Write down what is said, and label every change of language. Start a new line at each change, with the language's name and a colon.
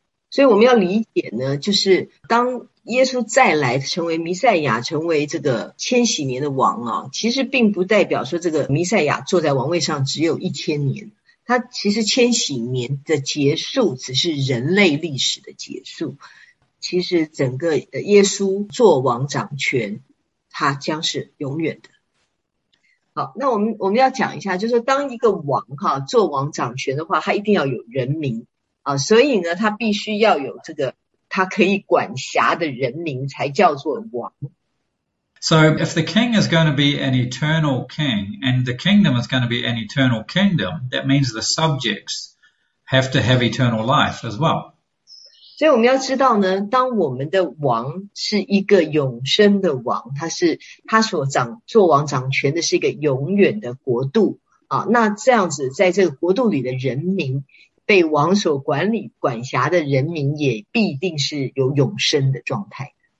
Chinese: 所以我们要理解呢，就是当耶稣再来成为弥赛亚，成为这个千禧年的王啊，其实并不代表说这个弥赛亚坐在王位上只有一千年，他其实千禧年的结束只是人类历史的结束，其实整个耶稣做王掌权，他将是永远的。好，那我们要讲一下，就是当一个王啊，做王掌权的话，他一定要有人民啊，所以呢，他必须要有这个他可以管辖的人民才叫做王。
English: So if the king is going to be an eternal king and the kingdom is going to be an eternal kingdom, that means the subjects have to have eternal life as well.
Chinese: 所以我们要知道呢，当我们的王是一个永生的王，他所掌做王掌权的是一个永远的国度啊，那这样子在这个国度里的人民，被王所管理管辖的人民也必定是有永生的状态。